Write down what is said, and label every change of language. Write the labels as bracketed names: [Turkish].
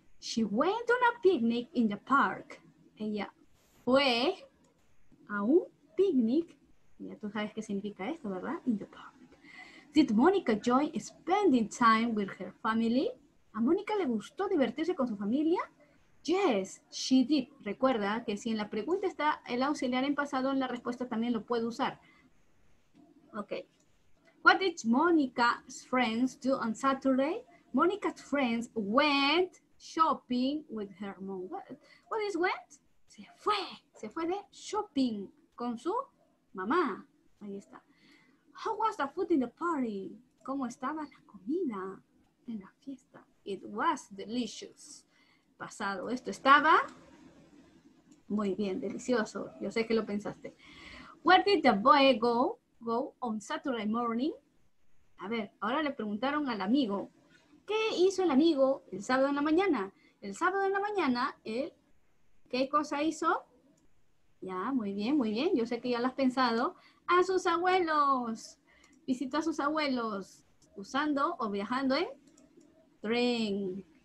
[English] She went on a picnic in the park. [Spanish] Ella fue a un picnic. Ya tú sabes qué significa esto, ¿verdad? [English] In the park. Did Monica enjoy spending time with her family? [Spanish] ¿A Monica le gustó divertirse con su familia? [English] Yes, she did. [Spanish] Recuerda que si en la pregunta está el auxiliar en pasado, en la respuesta también lo puede usar. [English] Okay. What did Monica's friends do on Saturday? Monica's friends went shopping with her mom. What is went? [Spanish] Se fue de shopping con su mamá. Ahí está. [English] How was the food in the party? [Spanish] ¿Cómo estaba la comida en la fiesta? [English] It was delicious. [Spanish] Pasado. Esto estaba muy bien, delicioso. Yo sé que lo pensaste. [English] Where did the boy go on Saturday morning? [Spanish] A ver, ahora le preguntaron al amigo. ¿Qué hizo el amigo el sábado en la mañana? El sábado en la mañana, él, ¿qué cosa hizo? Ya, muy bien, muy bien. Yo sé que ya lo has pensado. A sus abuelos. Visitó a sus abuelos usando o viajando en tren.